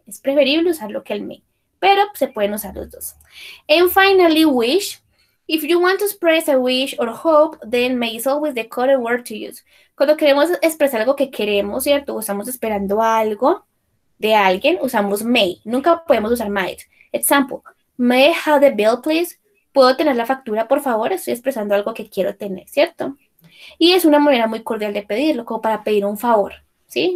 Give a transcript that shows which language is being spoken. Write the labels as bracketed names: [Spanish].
[Spanish] Es preferible usarlo que el may, pero se pueden usar los dos. [English] And finally, wish. If you want to express a wish or hope, then may is always the correct word to use. [Spanish] Cuando queremos expresar algo que queremos, ¿cierto? O estamos esperando algo de alguien, usamos may. Nunca podemos usar might. [English] Example, may I have the bill, please? [Spanish] ¿Puedo tener la factura, por favor? Estoy expresando algo que quiero tener, ¿cierto? Y es una manera muy cordial de pedirlo, como para pedir un favor, ¿sí?